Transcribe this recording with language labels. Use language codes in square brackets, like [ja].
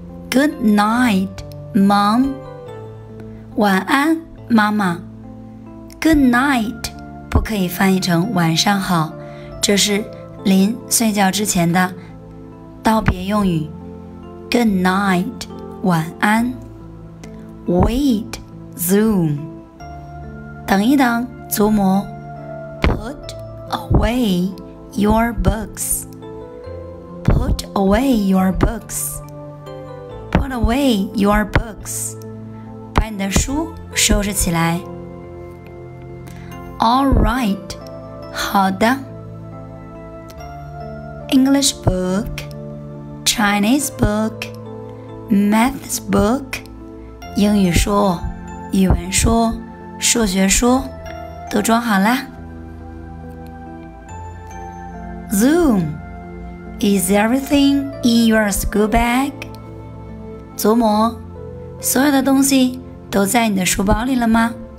[en] Good night, mom. [zh] 晚安，妈妈。 [en] Good night [zh] 不可以翻译成晚上好，这是临睡觉之前的道别用语。 [en] Good night, [zh] 晚安。 [en] Wait, zoom. [zh] 等一等，祖母。 [en] Put away your books. Put away your books. Put away your books. [zh] 把你的书收拾起来。 [en] All right, [zh] 好的。 [en] English book, Chinese book, Maths book, [zh] 英语书、语文书、数学书都装好了。 [en] Zoom, is everything in your school bag? [zh] 祖母，所有的东西都在你的书包里了吗？